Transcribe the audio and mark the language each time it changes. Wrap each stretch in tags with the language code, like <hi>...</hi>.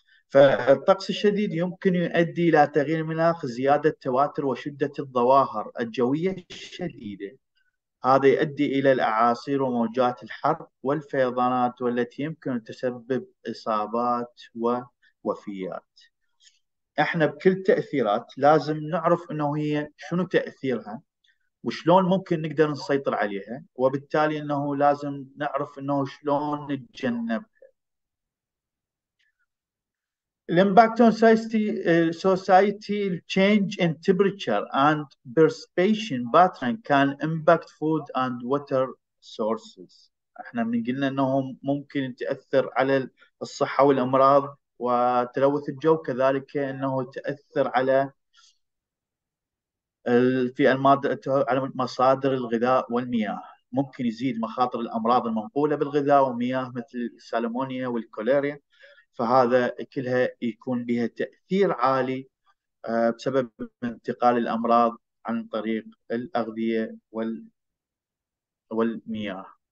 <ar>فالطقس الشديد يمكن يؤدي إلى تغيير المناخ، زيادة تواتر وشدة الظواهر الجوية الشديدة، هذا يؤدي إلى الأعاصير وموجات الحر والفيضانات، والتي يمكن أن تسبب إصابات ووفيات. احنا بكل التأثيرات لازم نعرف أنه هي شنو تأثيرها، وشلون ممكن نقدر نسيطر عليها، وبالتالي انه لازم نعرف انه شلون نتجنبها.</ar> <en>الامباكت on society, change in temperature and precipitation pattern can impact food and water sources.</en> <ar>احنا من قلنا انه ممكن تاثر على الصحه والامراض وتلوث الجو، كذلك انه تاثر على في المادة، على مصادر الغذاء والمياه، ممكن يزيد مخاطر الأمراض المنقولة بالغذاء والمياه مثل السالمونيا والكولاريا، فهذا كلها يكون بها تأثير عالي بسبب انتقال الأمراض عن طريق الأغذية والمياه.</ar>